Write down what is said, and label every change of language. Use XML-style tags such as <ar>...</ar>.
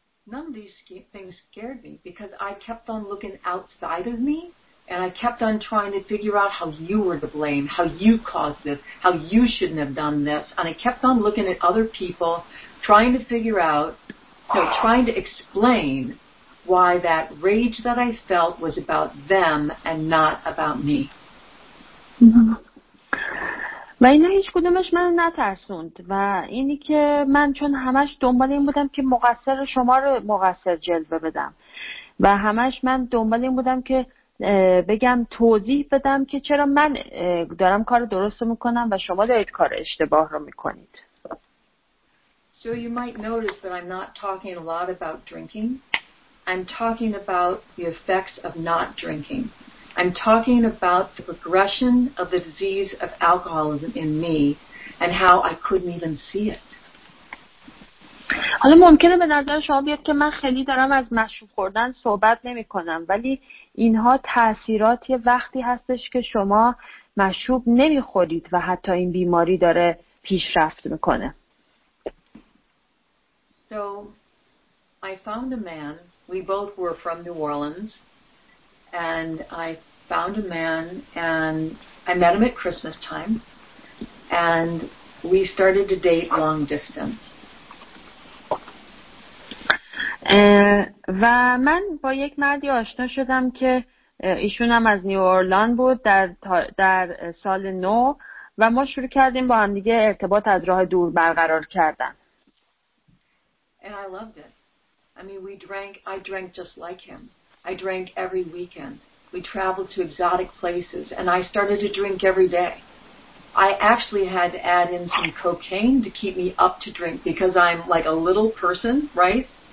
<en>None of these things scared me because I kept on looking outside of me and I kept on trying to figure out how you were to blame, how you caused this, how you shouldn't have done this. And I kept on looking at other people, trying to figure out, trying to explain why that rage that I felt was about them and not about me.</en> <fa>و اینا هیچ کدومش من نترسوند و اینی که من چون همش دنبال این بودم که مقصر شما رو مقصر جلوه بدم و همش من دنبال این بودم که بگم توضیح بدم که چرا من دارم کار درست رو میکنم و شما دارید کار اشتباه رو میکنید.</fa> <en>So you might notice that I'm not talking a lot about drinking. I'm talking about the effects of not drinking. I'm talking about the progression of the disease of alcoholism in me and how I couldn't even see it.</en> <fa>حالا ممکنه به نظر شما بیاد که من خیلی دارم از مشروب خوردن صحبت نمی کنم ولی اینها تأثیرات یه وقتی هستش که شما مشروب نمی خورید و حتی این بیماری داره پیشرفت میکنه.</fa> <en>So, I found a man. We both were from New Orleans. And I found a man, and I met him at Christmas time, and we started to date long distance.</en> <fa>و من با یک مردی آشنا شدم که ایشونم از نیو اورلان بود در سال نو و ما شروع کردیم با هم دیگه ارتباط از راه دور برقرار کردن.</fa> <en>And I loved it. I mean, I drank just like him. I drank every weekend. We traveled to exotic places, and I started to drink every day. I actually had to add in some cocaine to keep me up to drink because I'm like a little person, right?</en>